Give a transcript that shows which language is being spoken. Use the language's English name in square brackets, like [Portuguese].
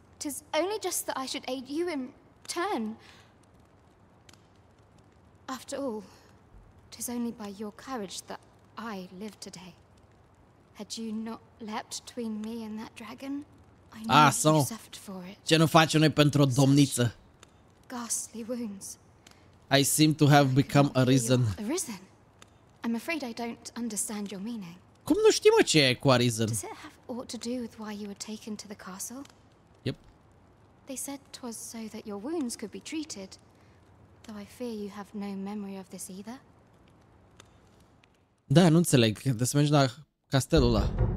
[English] 'Tis only just that I should aid you in turn. After all, 'tis only by your courage that I live today. Had you not leapt between me and that dragon, I know you suffered for it. [Romanian] Ce nu faci noi pentru o domniță? [English] Ghastly wounds. I seem to have become arisen. Arisen? I'm afraid I don't understand your meaning. [Romanian] Cum nu știi, mă, ce e cu arisen? [English] Does it have aught to do with why you were taken to the castle? Yep. They said 'twas so that your wounds could be treated, though I fear you have no memory of this either. [Romanian] Da, nu înțeleg. Trebuie să mergi la castelul ăla.